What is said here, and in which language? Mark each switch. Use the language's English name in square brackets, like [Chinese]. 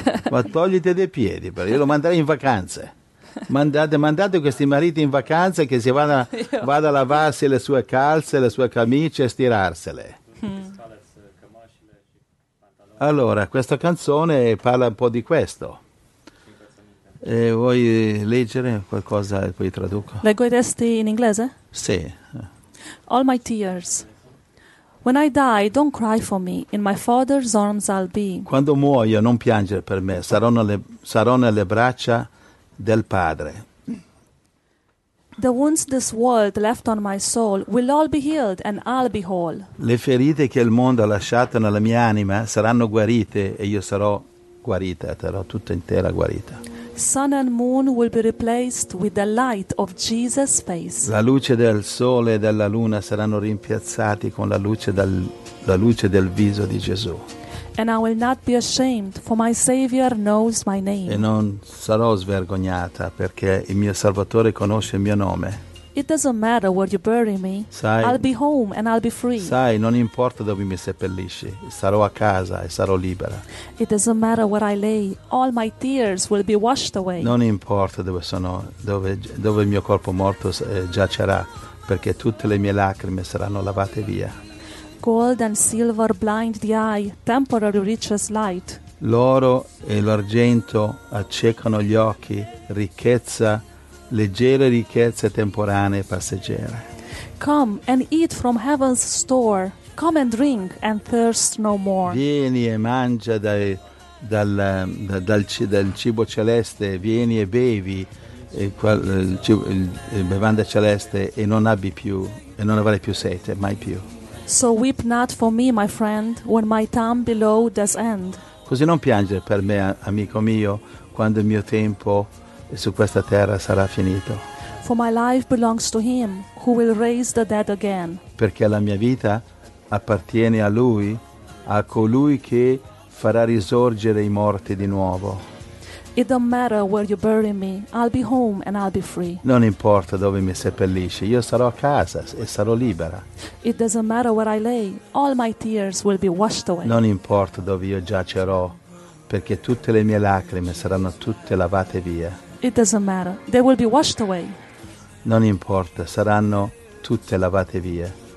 [Italian] Ma togliti dei piedi, però io lo manderei in vacanze. Mandate questi mariti in vacanza, che si vada a lavarsi le sue calze, le sue camicie e stirarsele. Allora, questa canzone parla un po' di questo. E vuoi leggere qualcosa e poi traduco? Leggo i testi in inglese? Sì. [English] All my tears. When I die, don't cry for me. In my father's arms I'll be. [Italian] Quando muoio, non piangere per me. Sarò nelle braccia del padre. [English] The wounds this world left on my soul will all be healed and I'll be whole. [Italian] Le ferite che il mondo ha lasciato nella mia anima saranno guarite e io sarò guarita, sarò tutta intera guarita. [English] Sun and moon will be replaced with the light of Jesus' face. [Italian] La luce del sole e della luna saranno rimpiazzati con la luce del viso di Gesù. [English] And I will not be ashamed, for my Savior knows my name. [Italian] E non sarò svergognata, perché il mio Salvatore conosce il mio nome. [English] It doesn't matter where you bury me. [Italian] Sai, [English] I'll be home and I'll be free. [Italian] Sai, non importa dove mi seppellisci, sarò a casa e sarò libera. [English] It doesn't matter where I lay, all my tears will be washed away. [Italian] Non importa dove sono, dove il mio corpo morto giacerà, perché tutte le mie lacrime saranno lavate via. [English] Gold and silver blind the eye, temporary riches light. [Italian] L'oro e l'argento accecano gli occhi ricchezza, leggere ricchezze temporanee e passeggere. [English] Come and eat from heaven's store. Come and drink and thirst no more. [Italian] Vieni e mangia dal cibo celeste, vieni e bevi il bevanda celeste e non abbi più e non avrai più sete, mai più. [English] So weep not for me, my friend, when my time below does end. [Italian] Così non piangere per me, amico mio, quando il mio tempo su questa terra sarà finito. [English] For my life belongs to him who will raise the dead again. [Italian] Perché la mia vita appartiene a lui, a colui che farà risorgere i morti di nuovo. [English] It don't matter where you bury me, I'll be home and I'll be free. [Italian] Non importa dove mi seppellisci, io sarò a casa e sarò libera. [English] It doesn't matter where I lay, all my tears will be washed away. [Italian] Non importa dove io giacerò, perché tutte le mie lacrime saranno tutte lavate via. [English] It doesn't matter, they will be washed away. [Italian] Non importa, saranno tutte lavate via.